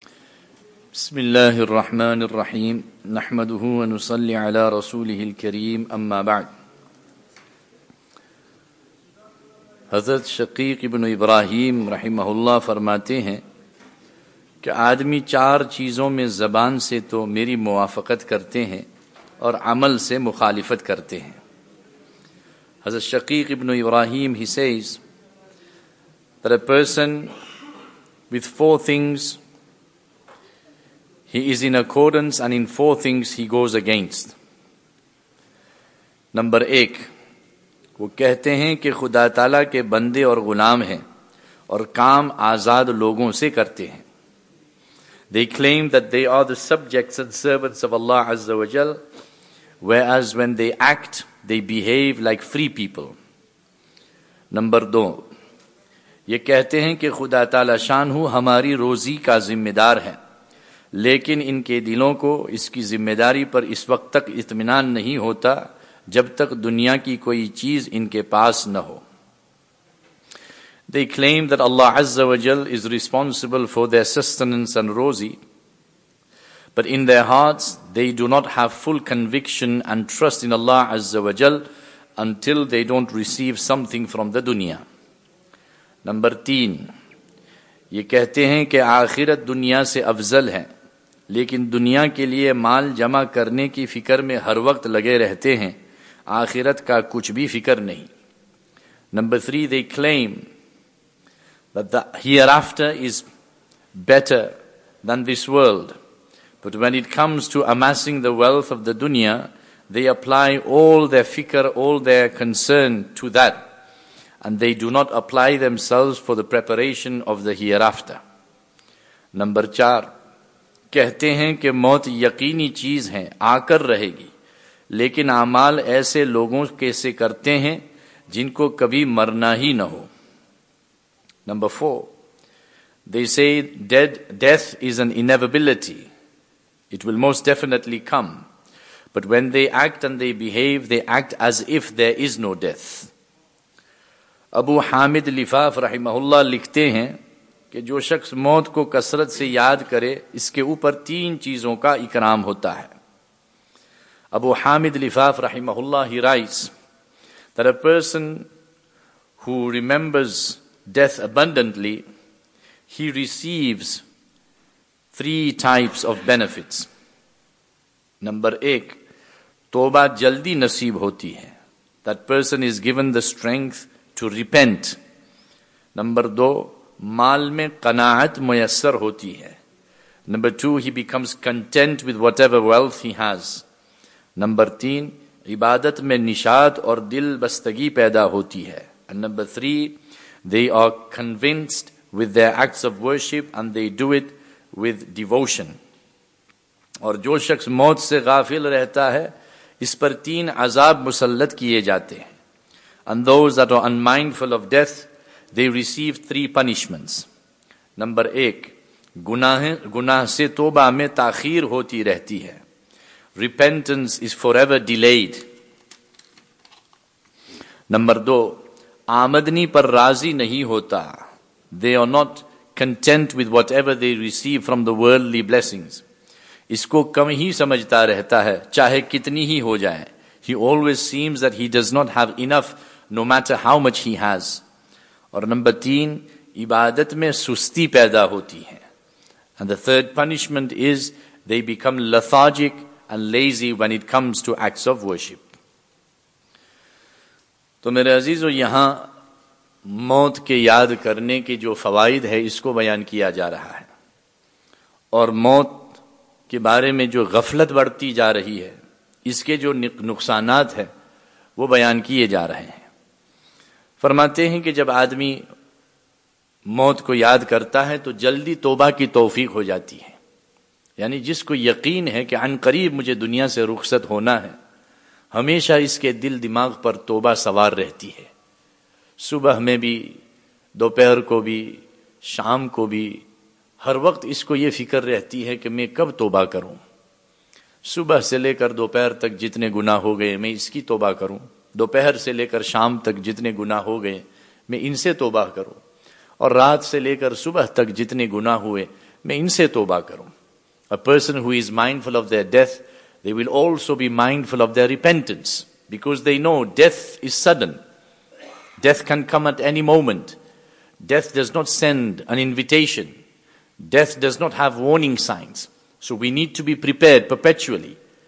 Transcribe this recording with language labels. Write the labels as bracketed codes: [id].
[ar] بسم الله الرحمن الرحيم نحمده ونصلي على رسوله الكريم اما بعد [ur] حضرت شقیق ابن ابراہیم رحمہ اللہ فرماتے ہیں کہ آدمی چار چیزوں میں زبان سے تو میری موافقت کرتے ہیں اور عمل سے مخالفت کرتے ہیں. [en] حضرت شقیق ابن ابراہیم he says that a person with four things he is in accordance and in four things he goes against. [ur] Number ایک, وہ کہتے ہیں کہ خدا تعالیٰ کے بندے اور غلام ہیں اور کام آزاد لوگوں سے کرتے ہیں. [en] They claim that they are the subjects and servants of Allah عز و جل, whereas when they act, they behave like free people. [ur] Number دو, یہ کہتے ہیں کہ خدا تعالیٰ شان ہو ہماری روزی کا ذمہ دار ہے, لیکن ان کے دلوں کو اس کی ذمہ داری پر اس وقت تک اطمینان نہیں ہوتا جب تک دنیا کی کوئی چیز ان کے پاس نہ ہو. [en] They claim that Allah Azza wa Jal is responsible for their sustenance and rozi, but in their hearts they do not have full conviction and trust in Allah Azza wa Jal until they don't receive something from the dunya. [ur] Number 3, یہ کہتے ہیں کہ آخرت دنیا سے افضل ہے, لیکن دنیا کے لیے مال جمع کرنے کی فکر میں ہر وقت لگے رہتے ہیں, آخرت کا کچھ بھی فکر نہیں. [en] Number 3, they claim that the hereafter is better than this world, but when it comes to amassing the wealth of the dunya, they apply all their fikr, all their concern to that, and they do not apply themselves for the preparation of the hereafter. [ur] Number 4, کہتے ہیں کہ موت یقینی چیز ہے, آ کر رہے گی, لیکن اعمال ایسے لوگوں کے سے کرتے ہیں جن کو کبھی مرنا ہی نہ ہو. [en] Number 4, they say death is an inevitability. It will most definitely come. But when they act and they behave, they act as if there is no death. [ur] ابو حامد لفاف رحمہ اللہ لکھتے ہیں کہ جو شخص موت کو کثرت سے یاد کرے اس کے اوپر تین چیزوں کا اکرام ہوتا ہے. [en] ابو حامد لفاف رحمہ اللہ he writes that a person who remembers death abundantly, he receives three types of benefits. [ur] Number 1, توبہ جلدی نصیب ہوتی ہے. [en] That person is given the strength to repent. [ur] Number 2, مال میں قناعت میسر ہوتی ہے. [en] Number 2, he becomes content with whatever wealth he has. [ur] Number 3, عبادت میں نشاط اور دل بستگی پیدا ہوتی ہے. [en] And number 3, they are convinced with their acts of worship and they do it with devotion. [ur] اور جو شخص موت سے غافل رہتا ہے اس پر تین عذاب مسلط کیے جاتے ہیں. [en] And those that are unmindful of death, they receive three punishments. [ur] Number 1, گناہ سے توبہ میں تاخیر ہوتی رہتی ہے. [en] Repentance is forever delayed. [ur] Number 2, آمدنی پر راضی نہیں ہوتا. [en] They are not content with whatever they receive from the worldly blessings. [ur] اس کو کم ہی سمجھتا رہتا ہے چاہے کتنی ہی ہو جائے. [en] He always seems that he does not have enough no matter how much he has. [ur] اور نمبر 3, عبادت میں سستی پیدا ہوتی ہے. [en] And the third punishment is they become lethargic and lazy when it comes to acts of worship. [ur] تو میرے عزیزو, یہاں موت کے یاد کرنے کے جو فوائد ہے اس کو بیان کیا جا رہا ہے, اور موت کے بارے میں جو غفلت بڑھتی جا رہی ہے اس کے جو نقصانات ہیں وہ بیان کیے جا رہے ہیں. فرماتے ہیں کہ جب آدمی موت کو یاد کرتا ہے تو جلدی توبہ کی توفیق ہو جاتی ہے, یعنی جس کو یقین ہے کہ عن قریب مجھے دنیا سے رخصت ہونا ہے, ہمیشہ اس کے دل دماغ پر توبہ سوار رہتی ہے. صبح میں بھی, دوپہر کو بھی, شام کو بھی, ہر وقت اس کو یہ فکر رہتی ہے کہ میں کب توبہ کروں. صبح سے لے کر دوپہر تک جتنے گناہ ہو گئے میں اس کی توبہ کروں, دوپہر سے لے کر شام تک جتنے گناہ ہو گئے میں ان سے توبہ کروں, اور رات سے لے کر صبح تک جتنے گناہ ہوئے میں ان سے توبہ کروں. [en] A person who is mindful of their death, they will also be mindful of their repentance, because they know death is sudden. Death can come at any moment. Death does not send an invitation. Death does not have warning signs. So we need to be prepared perpetually.